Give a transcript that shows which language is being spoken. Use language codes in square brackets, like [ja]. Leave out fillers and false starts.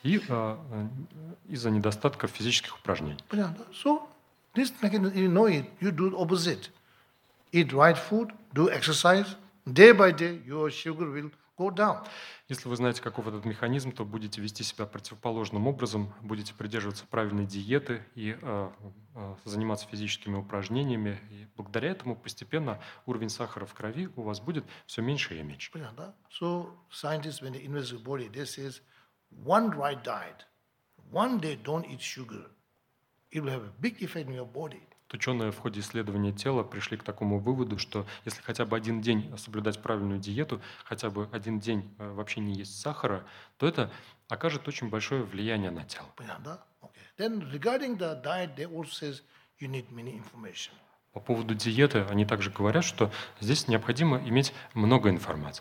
[ru] И из-за недостатка физических упражнений. Понятно. [en] So this mechanism, you know it, you do the opposite. Eat right food, do exercise, day by day your sugar will go down. [ru] Если вы знаете, каков этот механизм, то будете вести себя противоположным образом, будете придерживаться правильной диеты и заниматься физическими упражнениями. И благодаря этому постепенно уровень сахара в крови у вас будет все меньше и меньше. Понятно, да? [en] So scientists, when they investigate the body, they say one right diet, one day don't eat sugar, it will have a big effect on your body. [ru] Ученые в ходе исследования тела пришли к такому выводу, что если хотя бы один день соблюдать правильную диету, хотя бы один день вообще не есть сахара, то это окажет очень большое влияние на тело. Понятно, да? Okay. [en] Then regarding the diet, they also says you need many information. [ru] По поводу диеты они также говорят, что здесь необходимо иметь много информации.